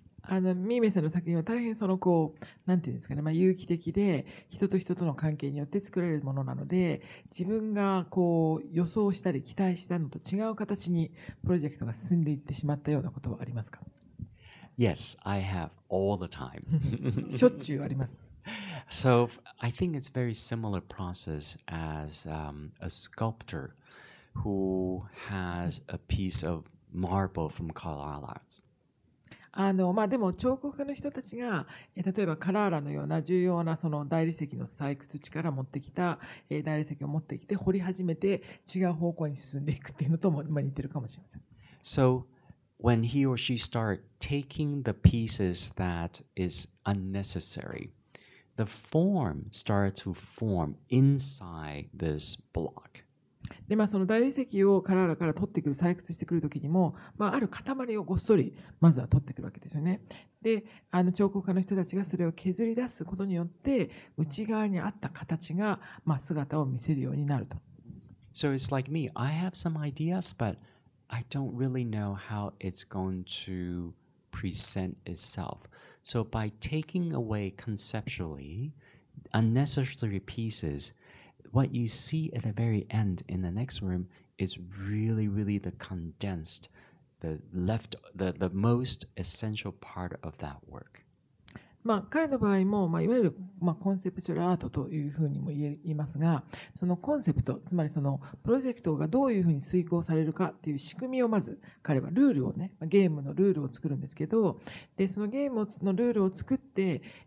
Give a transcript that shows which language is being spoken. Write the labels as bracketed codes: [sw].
[ja] ミーメさんの作品は大変そのこう何て言うんですかね、まあ、有機的で人と人との関係によって作られるものなので自分がこう予想したり期待したのと違う形にプロジェクトが進んでいってしまったようなことはありますか？ [en] Yes, I have all the time. [ja] しょっちゅうあります。 [en] So I think it's very similar process as a sculptor who has a piece of marble from Kalala. [ja] まあ、でも彫刻家の人たちが例えばカラーラのような重要なその大理石の採掘地から持ってきた大理石を持ってきて掘り始めて違う方向に進んでいくっていうのとも似てるかもしれません。 [en] So when he or she start taking the pieces that is unnecessary, the form starts to form inside this block. [ja] で、まあ、その大理石をカララから取ってくる、採掘してくるときにも、まあ、ある塊をごっそりまずは取ってくるわけですよね。で、あの彫刻家の人たちがそれを削り出すことによって、内側にあった形が、まあ、姿を見せるようになると。 [en] So it's like me. I have some ideas, but I don't really know how it's going to present itself. So by taking away conceptually unnecessary pieces, what you see at the very end in the next room is really, really the condensed, the left, the most essential part of that work. [ja] まあ、彼の場合も、まあ、いわゆる、まあ、コンセプチュアルアートというふうにも言いますが、そのコンセプト、つまりそのプロジェクトがどういうふうに遂行されるかという仕組みをまず彼はルールをね、ゲームのルールを作るんですけど、でそのゲームのルールを作って、